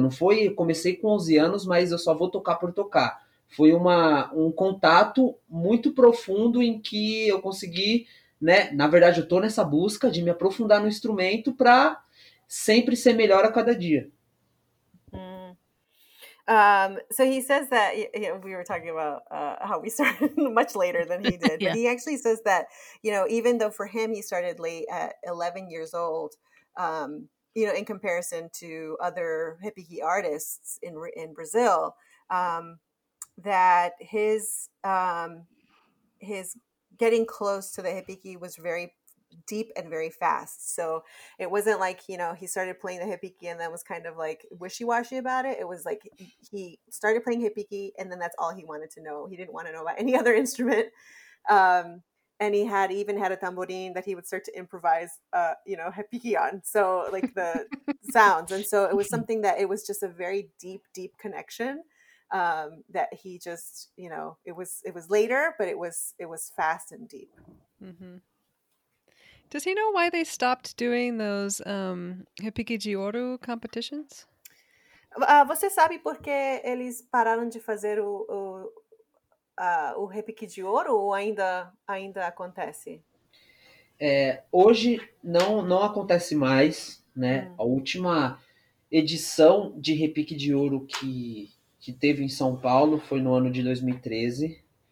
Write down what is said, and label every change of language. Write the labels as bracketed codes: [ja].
[pt] Não foi, eu comecei com 11 anos, mas eu só vou tocar por tocar. Foi um contato muito profundo em que eu consegui, né? Na verdade, eu tô nessa busca de me aprofundar no instrumento para sempre ser melhor a cada dia. [en] So he says that we were talking about how we started much later than he did. Yeah. But he actually says that, you know, even though for him he started late at 11 years old, you know, in comparison to other hipiki artists in Brazil, that his getting close to the hipiki was very deep and very fast. So it wasn't like, you know, he started playing the hipiki and then was kind of like wishy-washy about it. It was like he started playing hipiki and then that's all he wanted to know. He didn't want to know about any other instrument. And he had even had a tambourine that he would start to improvise, you know, hipiki on. So like the sounds. And so it was something that it was just a very deep, deep connection that he just, you know, it was later, but it was fast and deep. Mm-hmm. Does he know why they stopped doing those Hipiki de Ouro competitions? [pt] Você sabe por que eles pararam de fazer o Hipiki de Ouro ou ainda acontece? Hoje não acontece mais, né? A última edição de Hipiki de Ouro que teve em São Paulo foi no ano de 2013.